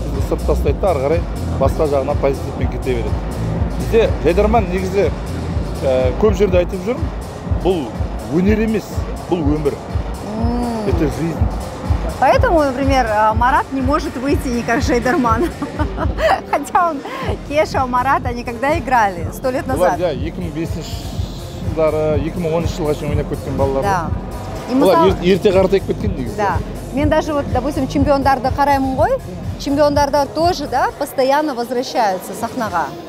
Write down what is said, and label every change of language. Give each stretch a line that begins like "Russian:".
Kazakh: Бізді сырт тастайды, ары қарай басқа жағына позитивпен кете береді. Бізде Жайдарман негізі көп жерде айтып жүрмін, бұл өнер емес, бұл өмір.
Russian: Это жизнь. Поэтому, например, Марат не может выйти не как Жайдарман. Хотя он Кеша, Марат, они когда играли? 100 лет назад.
Kazakh: Да, 2005-жылдары, 2010-жылға шейін ойнап көрген балалар.
Russian: Да.
Kazakh: Ерте қартайып кеткен негізі.
Russian: Да.
Kazakh: Мен
Russian: даже вот, допустим,
Kazakh: чемпиондарды қараймын ғой. Чемпиондарда
Russian: тоже, да, постоянно возвращаются
Kazakh: сахнаға.